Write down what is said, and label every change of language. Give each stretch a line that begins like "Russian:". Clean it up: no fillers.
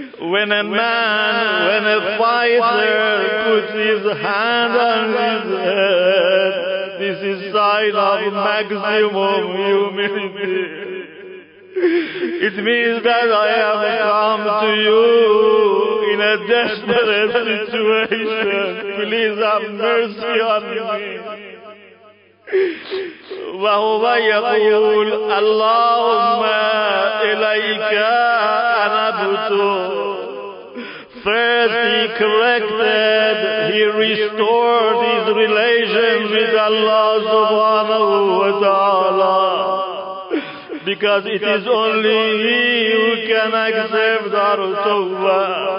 English: When a fighter puts his hand on his head, this is sign of maximum humility. It means that I have come to you in a desperate situation. Please have mercy on me.
Arabic: وهو يقول اللهم إليك أنا بتو.
English: First he corrected, he restored his relation with Allah subhanahu wa ta'ala, because it is only he who can accept our tawbah.